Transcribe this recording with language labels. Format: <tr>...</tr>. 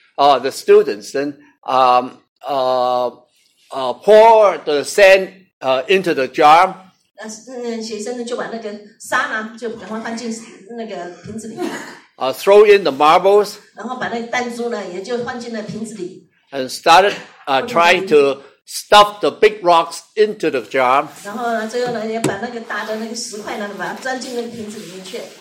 <en>The students then pour the sand into the jar.</en> <zh>学生呢就把那个沙呢，就赶快放进那个瓶子里面。</zh> <en>Throw in the marbles,</en> <zh>然后把那个弹珠呢，也就放进了瓶子里,</zh> <en>and started trying to stuff the big rocks into the jar.</en> <zh>然后呢，最后呢，也把那个大的那个石块呢，把它钻进那个瓶子里面去。</zh>